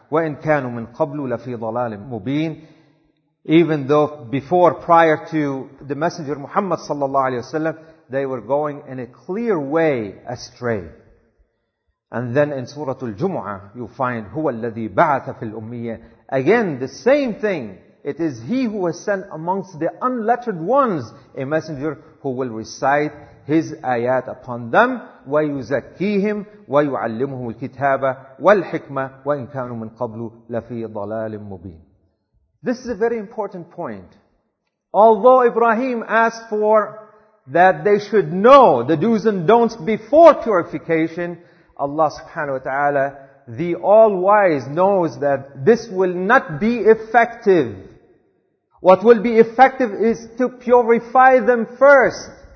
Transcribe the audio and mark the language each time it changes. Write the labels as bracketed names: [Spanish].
[Arabic] وَإِن كَانُوا مِن قَبْلُ لَفِي ضَلَالٍ مُبِينٍ [English] Even though before, prior to the Messenger Muhammad sallallahu alayhi wa sallam, they were going in a clear way astray. And then in Surah Al-Jumu'ah, you find, [Arabic] هُوَ الَّذِي بَعَثَ فِي الْأُمِّيَّةِ [English] Again, the same thing. It is he who has sent amongst the unlettered ones a messenger who will recite his ayat upon them. [Arabic] وَيُزَكِّيهِمْ وَيُعَلِّمُهُمُ الْكِتَابَةِ وَالْحِكْمَةِ وَإِنْ كَانُوا مِنْ قَبْلُ لَفِي ضَلَالٍ مُبِينٍ [English] This is a very important point. Although Ibrahim asked for that they should know the do's and don'ts before purification, Allah subhanahu wa ta'ala, the all-wise, knows that this will not be effective. What will be effective is to purify them first.